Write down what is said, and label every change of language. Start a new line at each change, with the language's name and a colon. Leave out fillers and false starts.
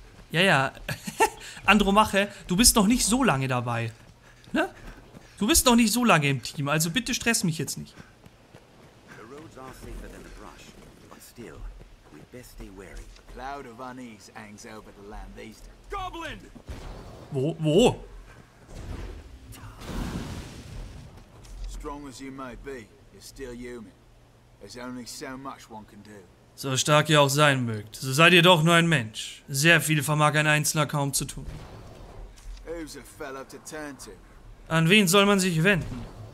German: Ja. Andromache, du bist noch nicht so lange dabei. Ne? Du bist noch nicht so lange im Team, also bitte stress mich jetzt nicht.
English: The roads are safer than the brush, but still, we best stay wary. A cloud of unease hangs over the land east. Goblin!
German: Wo?
English: Strong as you may be, you're still human. There's only so much one can do.
German: So stark ihr auch sein mögt, so seid ihr doch nur ein Mensch. Sehr viel vermag ein Einzelner kaum zu tun.
English: Who's a fellow to turn to?
German: An wen soll man sich wenden?